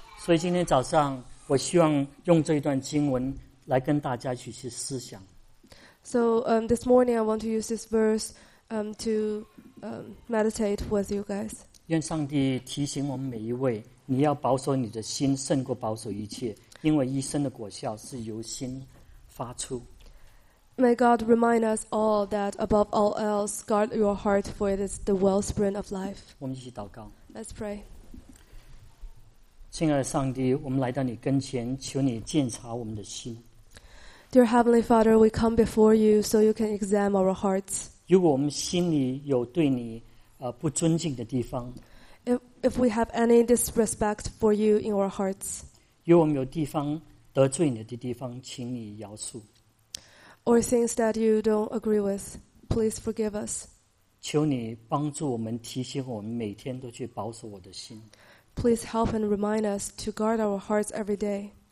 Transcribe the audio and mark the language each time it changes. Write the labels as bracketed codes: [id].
[zh] 所以今天早上，我希望用这一段经文来跟大家一起思想。 [en] So this morning I want to use this verse to meditate with you guys. [zh] 愿上帝提醒我们每一位，你要保守你的心胜过保守一切，因为一生的果效是由心发出。 [en] May God remind us all that above all else, guard your heart, for it is the wellspring of life. [zh] 我们一起祷告。 [en] Let's pray. [zh] 亲爱的上帝，我们来到你跟前，求你鉴察我们的心。 [en] Dear Heavenly Father, we come before you so you can examine our hearts. [zh] 如果我们心里有对你不尊敬的地方， [en] if we have any disrespect for you in our hearts, [zh] 如果我们有地方得罪你的地方，请你饶恕。 [en] Or things that you don't agree with, please forgive us. [zh] 求你帮助我们，提醒我们每天都去保守我的心。 [en] Please help and remind us to guard our hearts every day.